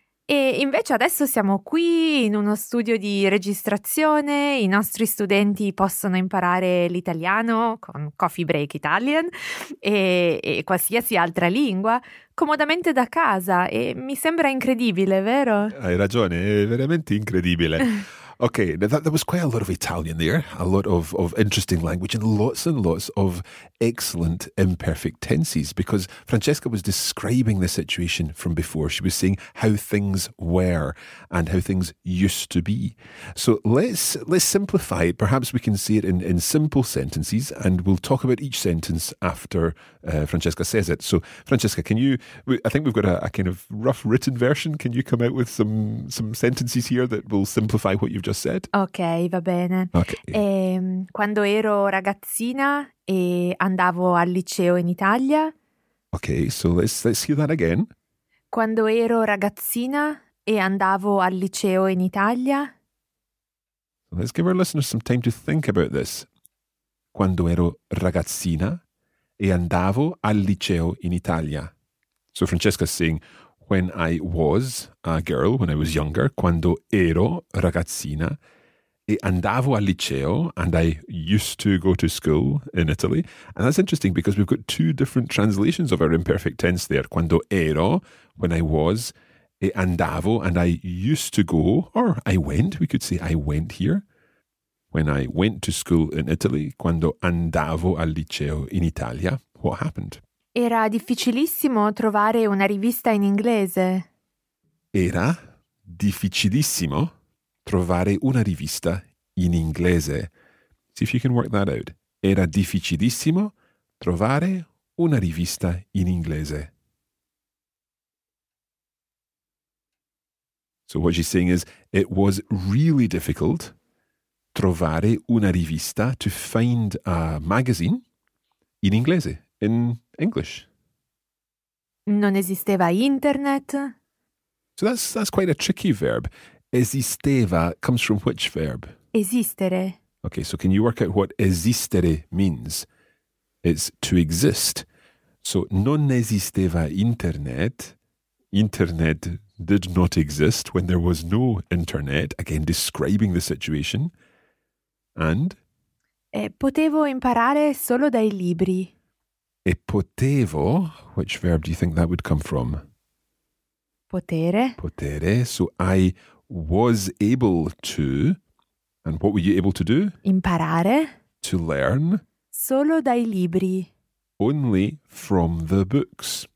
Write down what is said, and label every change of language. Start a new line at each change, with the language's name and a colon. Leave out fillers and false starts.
Italian: E invece adesso siamo qui in uno studio di registrazione, i nostri studenti possono imparare l'italiano con Coffee Break Italian e qualsiasi altra lingua comodamente da casa e mi sembra incredibile, vero? Hai ragione, è veramente incredibile.
English: Ok, now that was quite a lot of Italian there, a lot of interesting language and lots of excellent imperfect tenses because Francesca was describing the situation from before. She was saying how things were and how things used to be. So let's simplify it. Perhaps we can say it in simple sentences and we'll talk about each sentence after Francesca says it. So Francesca, can you, I think we've got a kind of rough written version. Can you come out with some sentences here that will simplify what you've just said?
Italian: Ok, va bene.
English: Okay.
Italian: Quando ero ragazzina e andavo al liceo in Italia.
English: Ok, so let's hear that again.
Italian: Quando ero ragazzina e andavo al liceo in Italia.
English: Let's give our listeners some time to think about this.
Italian: quando ero ragazzina e andavo al liceo in Italia.
English: So Francesca's saying, when I was a girl, when I was younger,
Italian: quando ero ragazzina e andavo al liceo,
English: and I used to go to school in Italy. And that's interesting because we've got two different translations of our imperfect tense there.
Italian: Quando ero,
English: when I was,
Italian: e andavo,
English: and I used to go, or I went, we could say I went here. When I went to school in Italy,
Italian: quando andavo al liceo in Italia,
English: what happened?
Italian: Era difficilissimo trovare una rivista in inglese. Era difficilissimo trovare una rivista in inglese.
English: See if you can work that out.
Italian: Era difficilissimo trovare una rivista in inglese.
English: So what she's saying is, it was really difficult
Italian: trovare una rivista,
English: to find a magazine
Italian: in inglese,
English: in English.
Italian: Non esisteva internet.
English: So that's quite a tricky verb. Esisteva comes from which verb?
Italian: Esistere.
English: Okay, so can you work out what esistere means? It's to exist. So
Italian: non esisteva internet.
English: Internet did not exist when there was no internet. Again, describing the situation. And?
Italian: E potevo imparare solo dai libri. E potevo,
English: which verb do you think that would come from?
Italian: Potere. Potere.
English: So I was able to, and what were you able to do?
Italian: Imparare.
English: To learn.
Italian: Solo dai libri.
English: Only from the books.